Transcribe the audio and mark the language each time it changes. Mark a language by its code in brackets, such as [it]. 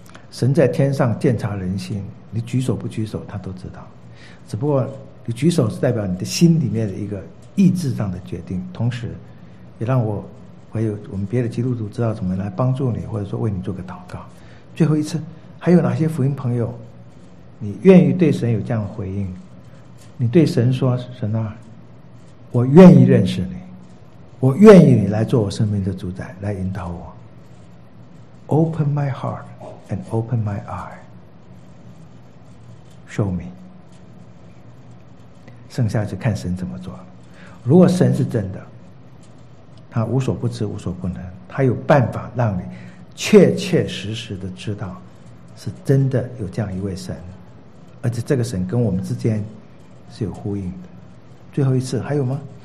[zh] 神在天上鉴察人心，你举手不举手他都知道，只不过你举手是代表你的心里面的一个意志上的决定，同时也让我还有我们别的基督徒知道怎么来帮助你，或者说为你做个祷告。最后一次，还有哪些福音朋友你愿意对神有这样的回应？你对神说，神啊，我愿意认识你，我愿意你来做我生命的主宰，来引导我。 [en] Open my heart and open my eye, show me, [zh] 剩下就看神怎么做。如果神是真的，他无所不知无所不能，他有办法让你确确实实的知道是真的有这样一位神，而且这个神跟我们之间是有呼应的。最后一次，还有吗？